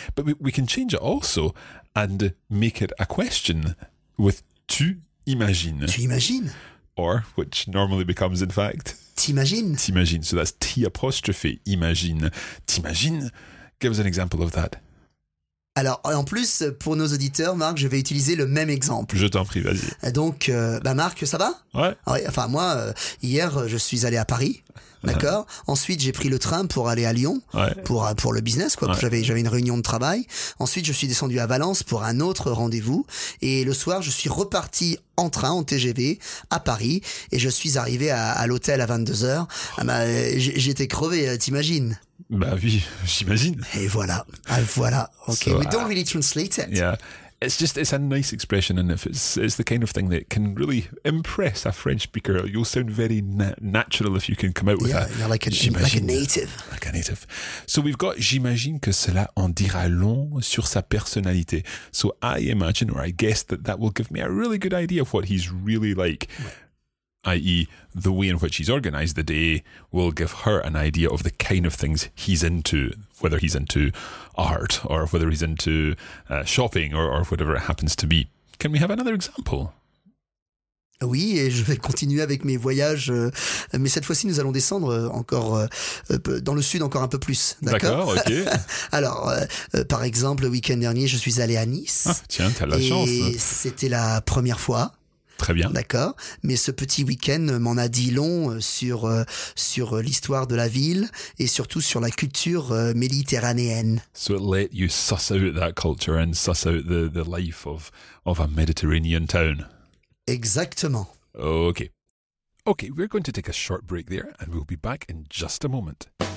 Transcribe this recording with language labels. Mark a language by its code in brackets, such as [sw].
[en] But we can change it also and make it a question with [fr] tu imagines. Tu imagines. [en] Or, which normally becomes, in fact, [fr] t'imagines. T'imagines. [en] So that's T apostrophe, imagine. T'imagines. Give us an example of that. [fr] Alors, en plus, pour nos auditeurs, Marc, je vais utiliser le même exemple. Je t'en prie, vas-y. Donc, Marc, ça va? Ouais. Enfin, moi, hier, je suis allé à Paris, d'accord? Ensuite, j'ai pris le train pour aller à Lyon, ouais, pour le business, quoi. Ouais. J'avais une réunion de travail. Ensuite, je suis descendu à Valence pour un autre rendez-vous. Et le soir, je suis reparti en train, en TGV, à Paris. Et je suis arrivé à l'hôtel à 22h. Ah, bah, j'étais crevé, t'imagines? Bah oui, j'imagine. Et voilà, ah, voilà. [en] Okay, so, we don't really translate it. Yeah, it's a nice expression, and if it's the kind of thing that can really impress a French speaker, you'll sound very natural if you can come out with that. Yeah, like a native. So we've got [fr] j'imagine que cela en dira long sur sa personnalité. [en] So I imagine, or I guess, that will give me a really good idea of what he's really like. Yeah. I.e. the way in which he's organized the day will give her an idea of the kind of things he's into, whether he's into art or whether he's into shopping or whatever it happens to be. Can we have another example? [fr] Oui, et je vais continuer avec mes voyages, mais cette fois-ci nous allons descendre encore dans le sud encore un peu plus, d'accord? D'accord, ok. Alors, par exemple, le week-end dernier, je suis allé à Nice. Ah, tiens, t'as la chance. Et c'était la première fois. Très bien. D'accord. Mais ce petit week-end m'en a dit long sur l'histoire de la ville et surtout sur la culture méditerranéenne. [en] So it let you suss out that culture and suss out the life of a Mediterranean town. [fr] Exactement. [en] Okay. Okay, we're going to take a short break there and we'll be back in just a moment.